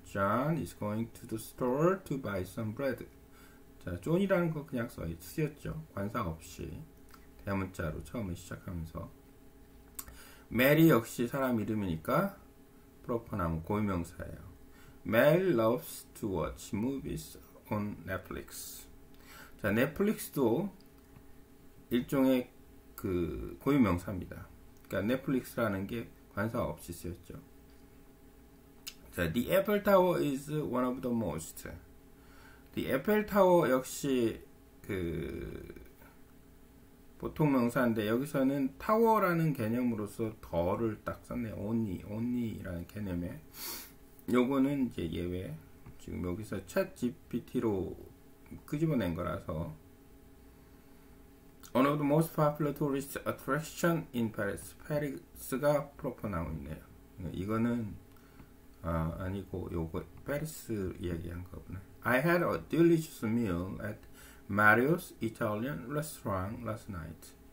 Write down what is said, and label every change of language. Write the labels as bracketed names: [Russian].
[English] John is going to the store to buy some bread. [Korean] 자, John이라는 거 그냥 쓰였죠. 관사 없이 대문자로 처음에 시작하면서. Mary 역시 사람 이름이니까 proper noun, 고유명사예요. [English] Mary loves to watch movies on Netflix. [Korean] 자, 넷플릭스도 일종의 그 고유명사입니다. 그러니까 넷플릭스라는 게 관사 없이 쓰였죠. [English] 자, The Apple Tower is one of the most. [Korean] The Apple Tower 역시 그 보통 명사인데, 여기서는 타워라는 개념으로서 더를 딱 썼네요. Only라는 개념에. 요거는 이제 예외. 지금 여기서 챗 GPT로 끄집어낸 거라서. [English] One of the most popular tourist attraction in Paris. [Korean] Paris가 proper noun이네요. 이거는 아니고 요거 Paris 이야기한 거구나. [English] I had a delicious meal at Mario's Italian restaurant last night.